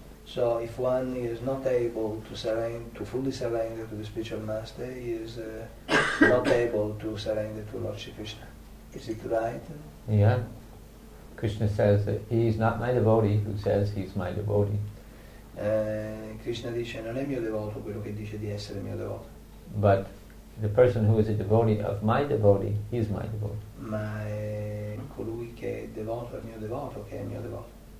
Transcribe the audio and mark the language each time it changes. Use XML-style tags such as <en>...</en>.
<en>So if one is not able to surrender, to fully surrender to the spiritual master, he is not able to surrender to Lord Sri Krishna. Is it right? Yeah. Krishna says that he is not my devotee who says he is my devotee.</en> <it>Krishna dice, non è mio devoto quello che dice di essere mio devoto.</it> <en>But the person who is a devotee of my devotee, he is my devotee.</en> <it>Ma è colui che è devoto al mio devoto, che è mio devoto.</it>